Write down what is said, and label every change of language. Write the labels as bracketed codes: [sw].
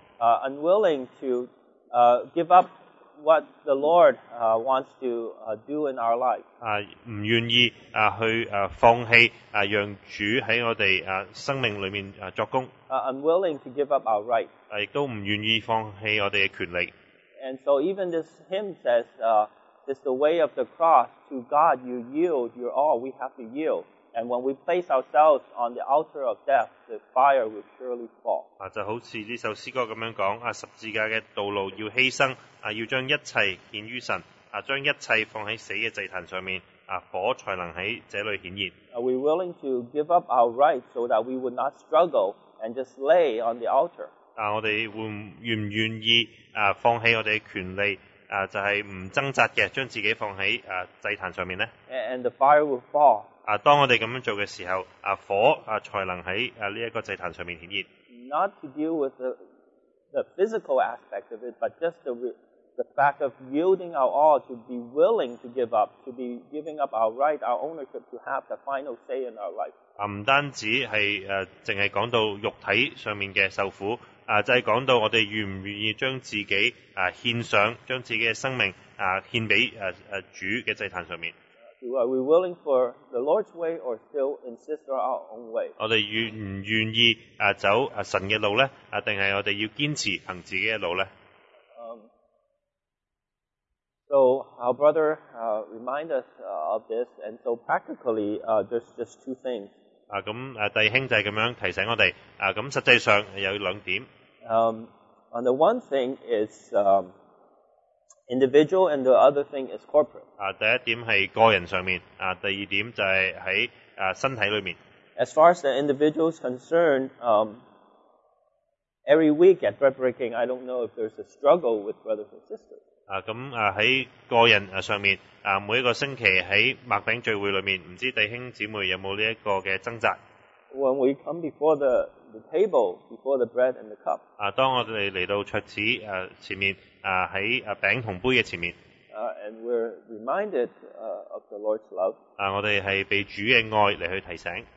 [en] Unwilling to give up what the Lord wants to do in our life. [zh] 不愿意去放弃让主在我们生命里面作工。 [en] Unwilling to give up our right. [zh] 也都不愿意放弃我们的权利。 [en] And so even this hymn says, it's the way of the cross to God, you yield your all, we have to yield. And when we place ourselves on the altar of death, the fire will surely fall. [zh] 就好像这首诗歌这样讲，十字架的道路要牺牲，要将一切献于神，将一切放在死的祭坛上面，火才能在这里显现。 [en] Are we willing to give up our rights so that we would not struggle and just lay on the altar? [zh] 我们愿不愿意放弃我们的权利，就是不挣扎的将自己放在祭坛上面呢？ [en] And the fire will fall. [zh] 当我们这样做的时候，火才能在这个祭坛上面显现。 [en] Not to deal with the physical aspect of it, but just the fact of yielding our all, to be willing to give up, to be giving up our right, our ownership, to have the final say in our life. [zh] 不单止是只是讲到肉体上面的受苦，就是讲到我们愿不愿意将自己献上，将自己的生命献给主的祭坛上面。 [en] Are we willing for the Lord's way or still insist on our own way? [zh] 我们愿不愿意走神的路呢？还是我们要坚持行自己的路呢？ [en] So our brother remind us of this, and so practically there's just two things. [zh] 弟兄就是这样提醒我们，实际上有两点。 [en] On the one thing is individual, and the other thing is corporate. [zh] 第一点是个人上面，第二点就是在身体里面。 [en] As far as the individual is concerned, every week at bread breaking, I don't know if there's a struggle with brothers and sisters. [zh] 在个人上面，每一个星期在麦饼聚会里面，不知道弟兄姊妹有没有这个挣扎。 [en] When we come before the table, before the bread and the cup. [zh] 当我们来到桌子前面，在饼和杯的前面。 [en] And we're reminded of the Lord's love. [zh] 我们是被主的爱来去提醒。